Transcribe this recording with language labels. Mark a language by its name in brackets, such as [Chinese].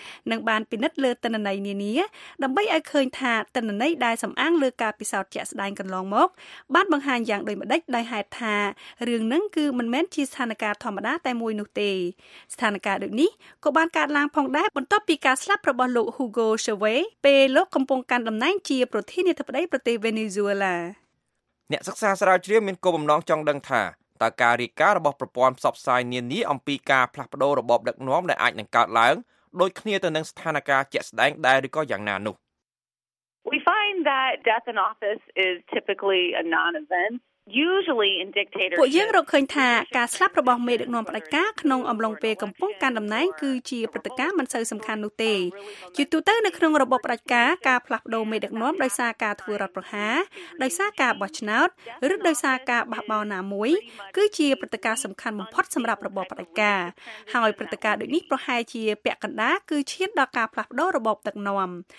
[Khmer] នឹងបានពិនិត្យលើទិន្នន័យនានាដើម្បីឲ្យឃើញថាទិន្នន័យដែលសំអាងលើការពិសោធន៍ជាក់ស្ដែងកន្លងមកបានបង្ហាញយ៉ាងដូចម្ដេចដោយហេតុថារឿងនឹងគឺមិនមែនជាស្ថានភាពធម្មតាតែមួយនោះទេស្ថានភាពដូចនេះក៏បានកើតឡើងផងដែរបន្ទាប់ពីការស្លាប់របស់លោក Hugo Chavez ពេលលោកកំពុងកាន់តំណែងជាប្រធានាធិបតីប្រទេស Venezuela អ្នកសិក្សាស្រាវជ្រាវមានគោលបំណងចង់ដឹងថាតើការរីកការរបស់ប្រព័ន្ធផ្សព្វផ្សាយនានាអំពីការផ្លាស់ប្ដូររបបដឹកនាំដែលអាចនឹងកើតឡើងដូចគ្នាទៅនឹងស្ថានភាពជាក់ស្ដែងដែរឬក៏យ៉ាងណានោះ [English] We find that death in office is typically a non-event. Usually in dictatorship [Khmer] ពួកយើងរកឃើញថាការស្លាប់របស់មេដឹកនាំផ្ដាច់ការក្នុងអំឡុងពេលកំពុងកាន់តំណែងគឺជាព្រឹត្តិការណ៍មិនសូវសំខាន់នោះទេជាទូទៅនៅក្នុងរបបផ្ដាច់ការការផ្លាស់ប្ដូរមេដឹកនាំដោយសារការធ្វើរដ្ឋប្រហារដោយសារការបោះឆ្នោតឬដោយសារការបះបោរណាមួយគឺជាព្រឹត្តិការណ៍សំខាន់បំផុតសម្រាប់របបផ្ដាច់ការហើយព្រឹត្តិការណ៍ដូចនេះប្រហែលជាពាក់កណ្ដាលគឺឈានដល់ការផ្លាស់ប្ដូររបបដឹកនាំ